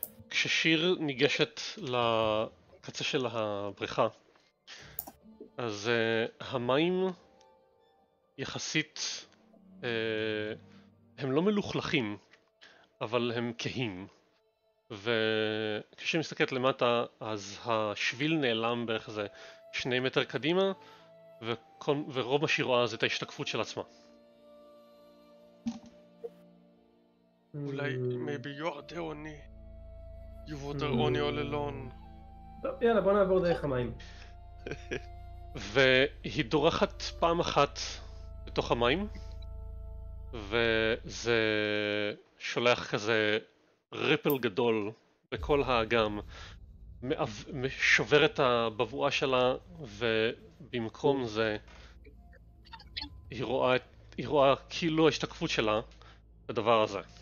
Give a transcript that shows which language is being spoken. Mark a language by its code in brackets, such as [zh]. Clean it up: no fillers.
[he] כששיר ניגשת לקצה של הבריכה, אז המים יחסית הם לא מלוכלכים, אבל הם כהים. וכשהיא מסתכלת למטה, אז השביל נעלם בערך איזה 2 מטר קדימה, ורוב מה שהיא רואה זה את ההשתקפות של עצמה. [en] אולי, maybe you are the only, you were the only all alone. [he] טוב, יאללה, בוא נעבור דרך המים. והיא דורכת פעם אחת בתוך המים, וזה שולח כזה ריפל גדול בכל האגם, שובר את הבבואה שלה, ובמקום זה היא רואה כאילו ההשתקפות שלה בדבר הזה.